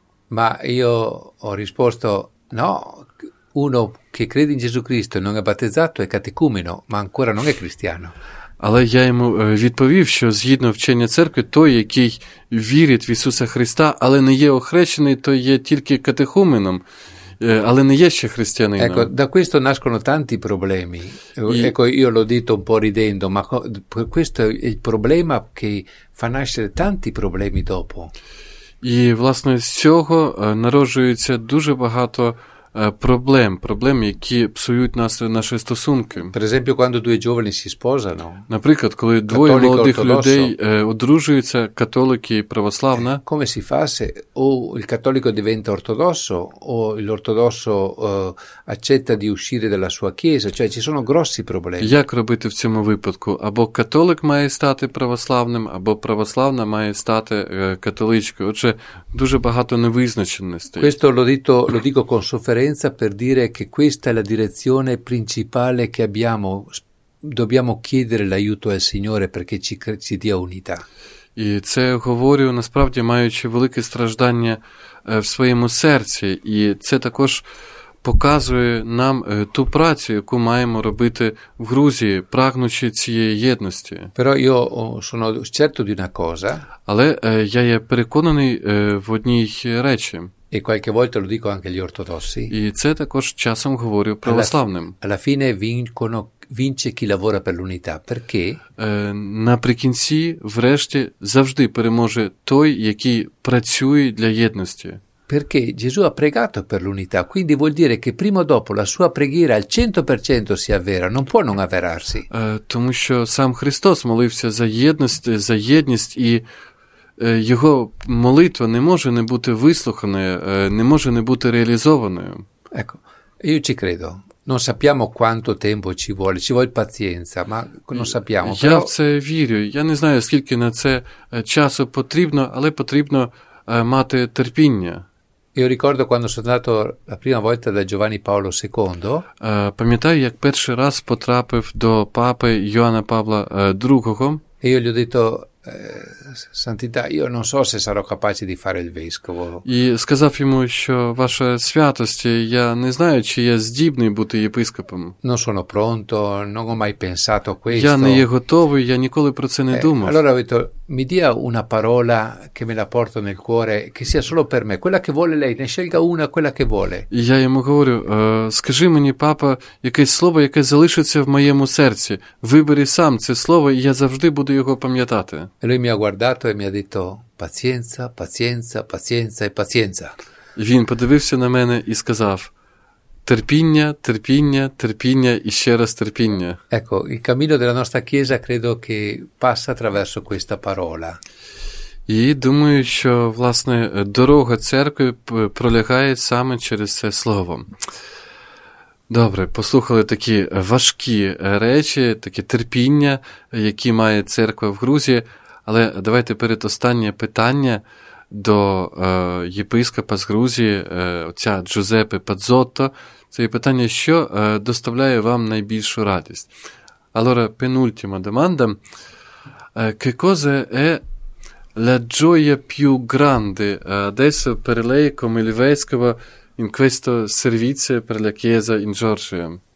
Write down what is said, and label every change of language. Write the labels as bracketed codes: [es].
[it] Ma io ho risposto: "No, uno che crede in Gesù Cristo e non è battezzato è catecumeno, ma ancora non è cristiano". [uk] Але я йому відповів, що згідно вчення церкви, той, який вірить в Ісуса Христа, але не є охрещений, той є тільки катехуменом, але не є ще християнином. [it] Ecco, da questo nascono tanti problemi. Ecco, io l'ho detto un po' ridendo, ma questo è il problema che fa nascere tanti problemi dopo. [uk] І, власне, з цього народжується дуже багато проблем, які псують наші стосунки. [it] Per esempio, quando due giovani si sposano. [uk] Наприклад, коли двоє молодих людей одружуються, католик і православна. [it] Come si fa se o il cattolico diventa ortodosso o l'ortodosso accetta di uscire dalla sua chiesa? Cioè, ci sono grossi problemi. [uk] Як робити в цьому випадку? Або католик має стати православним, або православна має стати католичкою. Отже, дуже багато невизначеностей. [it] Questo lo dico con sofferenza per dire che questa è la direzione principale che abbiamo, dobbiamo chiedere l'aiuto al Signore perché ci dia unità. [uk] І це говорю, насправді, маючи велике страждання в своєму серці. І це також показує нам ту працю, яку маємо робити в Грузії, прагнучи цієї єдності. [it] Però io sono certo di una cosa. [uk] Але я є переконаний в одній речі. [it] E qualche volta lo dico anche agli ortodossi. [uk] І це також часом говорю православним. [it] Alla fine vince chi lavora per l'unità. Perché? [uk] Наприкінці, врешті, завжди переможе той, який працює для єдності. [it] Perché Gesù ha pregato per l'unità, quindi vuol dire che prima o dopo la sua preghiera al 100% si avvera, non può non avverarsi. [uk] Тому що сам Христос молився за єдність, і його молитва не може не бути вислуханою, не може не бути реалізованою. [it] Ecco, io ci credo. Non sappiamo quanto tempo ci vuole pazienza, ma non sappiamo. [uk] Я в це вірю, я не знаю, скільки на це часу потрібно, але потрібно мати терпіння. [it] Io ricordo quando sono andato la prima volta da Giovanni Paolo II. [uk] Пам'ятаю, як перший раз потрапив до папи Йоанна Павла II. [it] E io gli ho detto, santità, io non so se sarò capace di fare il vescovo. [uk] І сказав йому, що ваша святості, я не знаю, чи я здібний бути єпископом. [it] Non sono pronto, non ho mai pensato questo. [uk] Я не є готовий, я ніколи про це не думав. [it] Allora ho detto, mi dia una parola che me la porto nel cuore, che sia solo per me, quella che vuole lei, ne scelga una, quella che vuole. [uk] І я йому говорю, скажи мені, папа, якесь слово, яке залишиться в моєму серці. Вибери сам це слово, і я завжди буду його пам'ятати. [it] E lui mi ha guardato e mi ha detto, pazienza, pazienza, pazienza e pazienza. [uk] Він подивився на мене і сказав, терпіння, терпіння, терпіння і ще раз терпіння. [it] Ecco, il cammino della nostra chiesa credo che passa attraverso questa parola. [uk] І думаю, що, власне, дорога церкви пролягає саме через це слово. Добре, послухали такі важкі речі, таке терпіння, які має церква в Грузії. Але давайте перед останнє питання до єпископа з Грузії, отця Джузеппе Пазотто. Це питання, що доставляє вам найбільшу радість? [it] Allora, penultima domanda. Che cosa è la gioia più grande adesso per lei come il vescovo in questo servizio per la Chiesa in Georgia?